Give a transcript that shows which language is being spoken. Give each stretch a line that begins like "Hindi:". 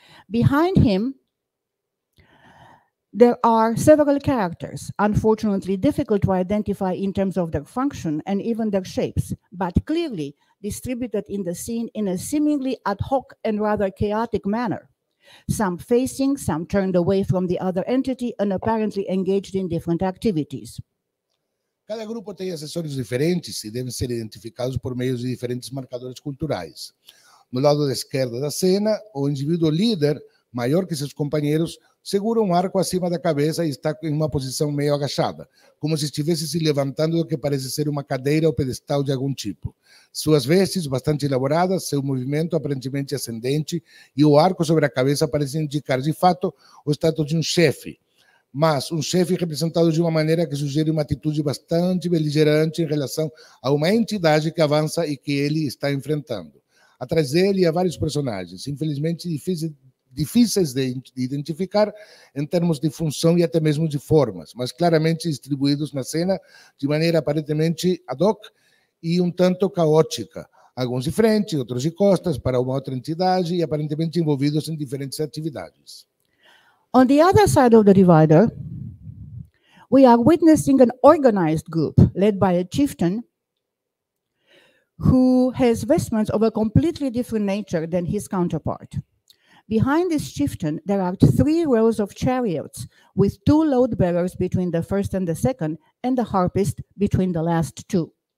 English: Behind him, there are several characters, unfortunately difficult to identify in terms of their function and even their shapes, but clearly distributed in the scene in a seemingly ad hoc and rather chaotic manner. Some facing, some turned away from the other entity and apparently engaged in different activities.
Portuguese: Cada grupo tem acessórios diferentes e devem ser identificados por meio de diferentes marcadores culturais. No lado da esquerda da cena, o indivíduo líder, maior que seus companheiros, segura um arco acima da cabeça e está em uma posição meio agachada, como se estivesse se levantando do que parece ser uma cadeira ou pedestal de algum tipo. Suas vestes, bastante elaboradas, seu movimento aparentemente ascendente e o arco sobre a cabeça parecem indicar, de fato, o status de um chefe, mas um chefe representado de uma maneira que sugere uma atitude bastante beligerante em relação a uma entidade que avança e que ele está enfrentando. Atrás dele há vários personagens, infelizmente difíceis de identificar em termos de função e até mesmo de formas, mas claramente distribuídos na cena de maneira aparentemente ad hoc e um tanto caótica. Alguns de frente, outros de costas para uma outra entidade e aparentemente envolvidos em diferentes atividades.
English: On the other side of the divider, we are witnessing an organized group led by a chieftain who has vestments of a completely different nature than his counterpart. Behind this chieftain, there are three rows of chariots with two load bearers between the first and the second, and the harpist between the last two.